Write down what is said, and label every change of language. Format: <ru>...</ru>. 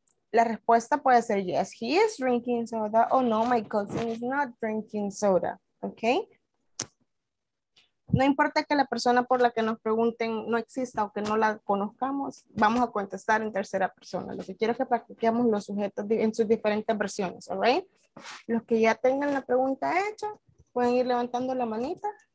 <es>La respuesta puede ser</es> <en>yes, he is drinking soda. Oh no, my cousin is not drinking soda. Okay.</en> <es>No importa que la persona por la que nos pregunten no exista o que no la conozcamos, vamos a contestar en tercera persona. Lo que quiero es que practiquemos los sujetos en sus diferentes versiones.</es> <en>All right.</en> <es>Los que ya tengan la pregunta hecha, pueden ir levantando la manita.</es>